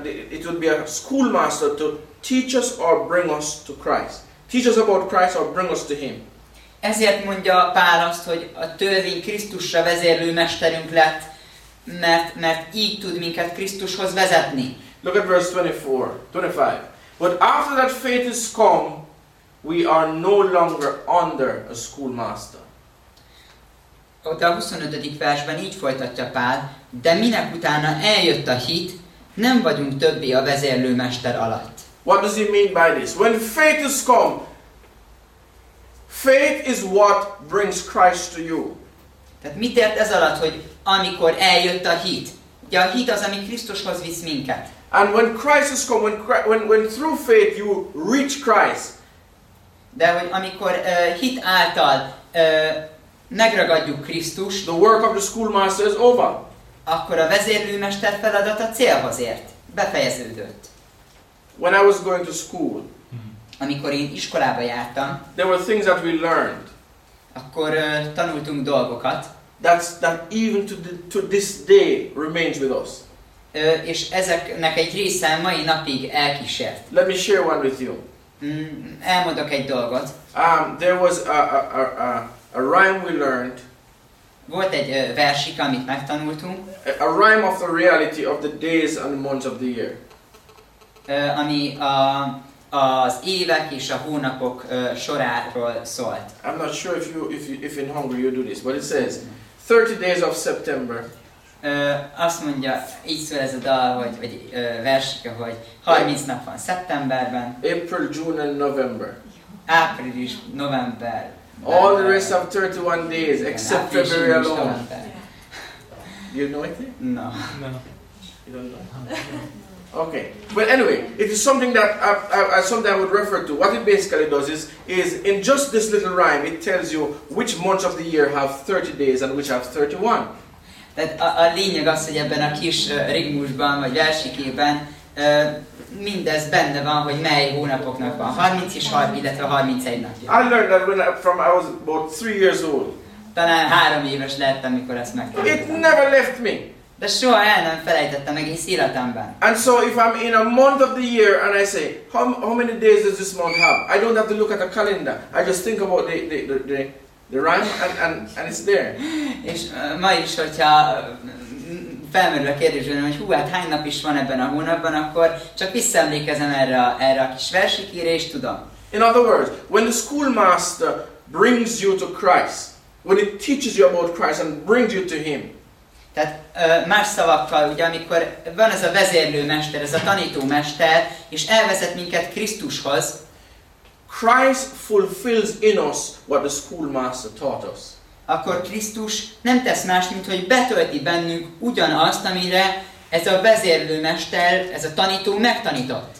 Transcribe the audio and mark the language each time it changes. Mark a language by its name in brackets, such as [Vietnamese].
[English] It would be a schoolmaster to teach us or bring us to Christ. Teach us about Christ or bring us to Him. [Hungarian] Ezért mondja Pál azt, hogy a törvény Krisztusra vezérlő mesterünk lett, mert így tud minket Krisztushoz vezetni. [English] Look at verse 24-25. But after that faith is come, we are no longer under a schoolmaster. [Hungarian] Ott a 25. versben így folytatja Pál, de minek utána eljött a hit, nem vagyunk többi a vezérlőmester alatt. [English] What does he mean by this? When faith is come, faith is what brings Christ to you. [Hungarian] Tehát mit ért ez alatt, hogy amikor eljött a hit? Ugye a hit az, ami Krisztushoz visz minket. [English] And when Christ is come, when through faith you reach Christ. [Hungarian] De hogy amikor hit által megragadjuk Krisztust. [English] The work of the schoolmaster is over. [Hungarian] Akkor a vezérlőmester feladat a célhoz ért, befejeződött. [English] When I was going to school, [Hungarian] amikor én iskolába jártam, [English] there were things that we learned. [Hungarian] Akkor tanultunk dolgokat. [English] That even to this day remains with us. [Hungarian] És ezeknek egy része mai napig elkísért. [English] Let me share one with you. [Hungarian] Elmondok egy dolgot. [English] There was a rhyme we learned. [Hungarian] Volt egy versik, amit megtanultunk. [English] A rhyme of the reality of the days and months of the year. [Hungarian] Ami az évek és a hónapok soráról szólt. [English] I'm not sure if in Hungary you do this, but it says 30 days of September. [Hungarian] Azt mondja, így szól ez a dal, vagy versik, hogy 30 nap van szeptemberben. [English] April, June and November. [Hungarian] Április, november. [English] All the rest of 31 days, except February alone. You know it? No. No. You don't know? Okay. Well, anyway, it is something that I would refer to. What it basically does is in just this little rhyme, it tells you which months of the year have 30 days and which have 31. [Hungarian] Tehát a lényeg az, hogy ebben a kis rigmusban, vagy versikében, mindez benne van, hogy mely hónapoknak van 30 és 30, illetve 31 napja. [English] I learned that when I was about 3 years old. [Hungarian] Talán 3 éves lettem, amikor ezt megtanultam. [English] It never left me. [Hungarian] De soha el nem felejtettem meg egész életemben. [English] And so if I'm in a month of the year and I say how many days does this month have? I don't have to look at a calendar. I just think about the rhyme and it's there. [Hungarian] És ma is, hogyha felmerül a kérdés, hogy hú, hát hány nap is van ebben a hónapban, akkor csak visszaemlékezem erre a kis versikére, és tudom. [English] In other words, when the schoolmaster brings you to Christ, when it teaches you about Christ and brings you to Him. [Hungarian] Tehát más szavakkal, ugye, amikor van ez a vezérlőmester, ez a tanítómester, és elvezet minket Krisztushoz. [English] Christ fulfills in us what the schoolmaster taught us. [Hungarian] Akkor Krisztus nem tesz más, mint hogy betölti bennünk ugyanazt, amire ez a vezérlőmester, ez a tanító megtanított.